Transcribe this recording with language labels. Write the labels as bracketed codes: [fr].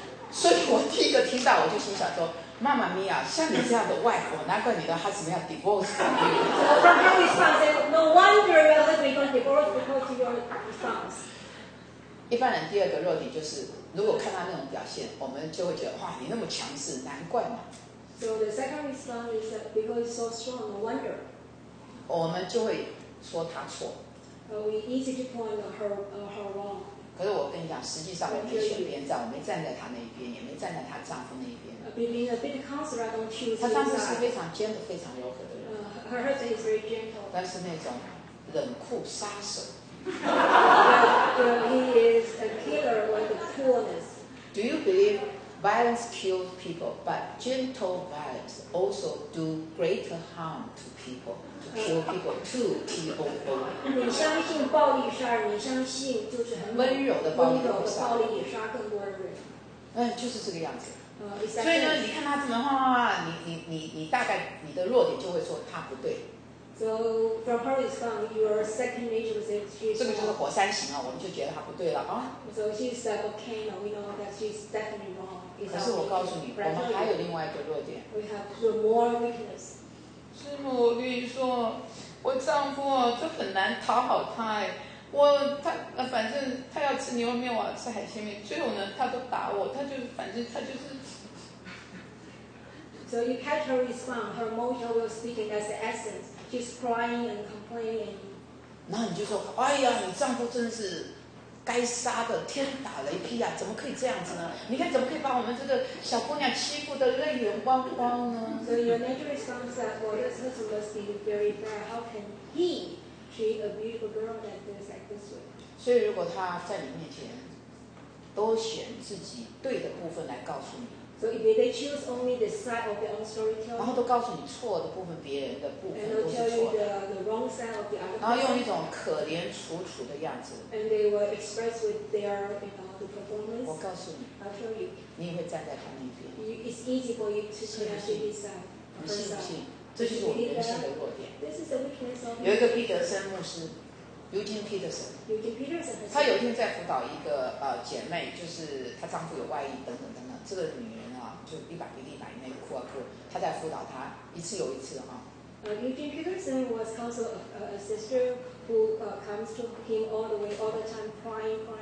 [zh] 所以我第一个听到我就心想说。妈妈咪呀、啊，像你这样的外婆，难怪你的 husband 要 [en] divorce from you。 So from her response, no wonder your husband is going to divorce because of your response。 [zh] 一般人第二个弱点就是，如果看他那种表现，我们就会觉得哇，你那么强势，难怪嘛。 [en] So the second response is that because he's so strong, no wonder。 [zh] 我们就会说他错。 [en] We easy to point her wrong。 [zh] 可是我跟你讲，实际上我没选边站，我没站在她那一边，也没站在她丈夫那一边。她丈夫是非常尖的、非常柔和的人。但是那种冷酷杀手。 [en] He is a killer with coolness. Do you believe violence kills people, but gentle violence also do greater harm to people? Kill people too, T-O-O. [zh] 你相信暴力杀人，你相信就是很温柔的暴力也杀更多人。嗯，就是这个样子。所以呢，你看他怎么画，你大概你的弱点就会说他不对。 [en] So from her response, your second nature is she. [zh] 这个就是火山型啊，我们就觉得他不对了啊。 [en] So she's a volcano. We know that she's definitely wrong. [zh] 可是我告诉你，我们还有另外一个弱点。 [en] We have the more weakness. [zh] 师母，我跟你说，我丈夫啊，就很难讨好他哎。反正他要吃牛肉面，我要吃海鲜面。最后呢，他都打我，他就是。 [en] So you catch her response, her emotion will speaking as the essence. She's crying and complaining. [zh] 然后你就说，哎呀，你丈夫真是。该杀的天打雷劈啊，怎么可以这样子呢？你看怎么可以把我们这个小姑娘欺负得泪眼汪汪呢？ [en] So your natural response is, well, this person must be very bad. How can he treat a beautiful girl that is like this way? [zh] 所以如果他在你面前都选自己对的部分来告诉你。 [en] So if they choose only the side of their own storytelling, [zh] 然后都告诉你错的部分，别人的部分都是错的。 [en] The [zh] 然后用一种可怜楚楚的样子。 [en] And they will express with their, you know, the performance. [zh] 我告诉你 [en] ，I'll show you. [zh] 你也会站在他那边。 [en] It's easy for you to stand on his side. [zh] 你信不信？这就是我人性的弱点。 [en] This is the weakness of. [zh] 有一个彼得森牧师。 [en] Eugene Peterson [zh] 他有一天在辅导一个姐妹，就是她丈夫有外遇等等等等，这个女人啊，就一百鼻涕一百眼泪哭啊哭，她在辅导她一次又一次啊。 [en] Eugene Peterson was also a sister who comes to him all the time crying.